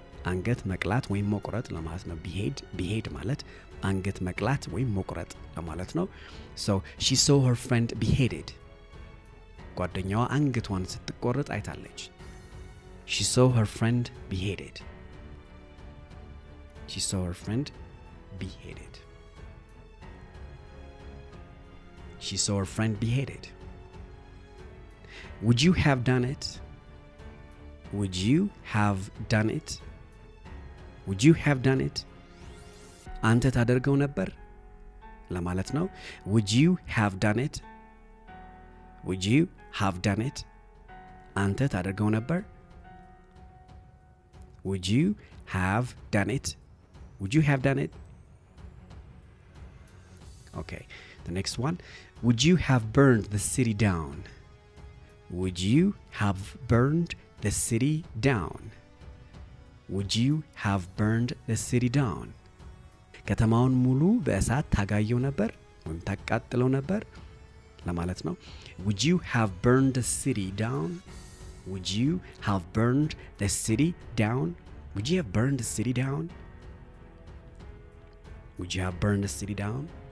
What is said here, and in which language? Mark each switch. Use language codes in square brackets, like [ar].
[am] አንገት መቅላት ወይም መቁረጥ ለማለት ነው. behead behead ማለት አንገት መቅላት ወይም መቁረጥ ለማለት ነው. [en] So she saw her friend beheaded. [am] ጓደኛዋ አንገቷን ስትቆረጥ አይታለች. [en] She saw her friend beheaded. She saw her friend beheaded. She saw her friend beheaded. Would you have done it? Would you have done it? Would you have done it? [am] አንተ ታደርገው ነበር ለማለት ነው. [en] Would you have done it? Would you have done it? [am] አንተ ታደርገው ነበር. [en] Would you have done it? Would you have done it? Okay. The next one. Would you have burned the city down? Would you have burned the city down? Would you have burned the city down? [am] ከተማውን ሙሉ በእሳት ታጋየው ነበር ወይም ተቃጥለው ነበር ለማለት ነው። [en] Would you have burned the city down? Would you have burned the city down? Would you have burned the city down? Would you have burned the city down?